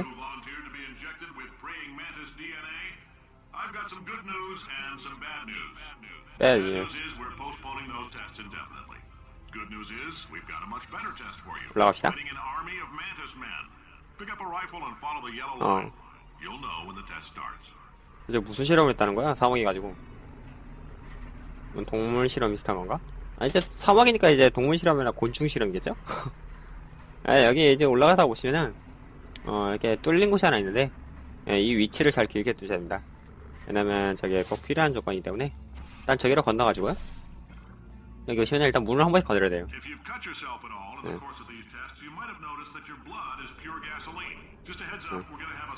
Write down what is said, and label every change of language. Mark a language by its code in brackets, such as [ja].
[en] You volunteered to be injected with praying mantis DNA. I've got some good news and some bad news. Bad news. Bad news is we're postponing those tests indefinitely. Good news is we've got a much better test for you. [ko] 올라갑시다. [en] Getting an army of mantis men. Pick up a rifle and follow the yellow line. You'll know when the test starts. [ko] 이제 무슨 실험을 했다는 거야? 사막이 가지고. 동물 실험 비슷한 건가? 아, 이제 사막이니까 이제 동물 실험이나 곤충 실험이겠죠? 아, 여기 이제 올라가다 보시면은, 이렇게 뚫린 곳이 하나 있는데, 예, 이 위치를 잘 기억해 두셔야 됩니다. 왜냐면 저게 꼭 필요한 조건이기 때문에, 일단 저기로 건너가지고요. 여기 오시면 일단 문을 한 번씩 건드려야 돼요. [en] If you've cut yourself at all in the course of these tests, you might have noticed that your blood is pure gasoline. Just a heads up, we're gonna have a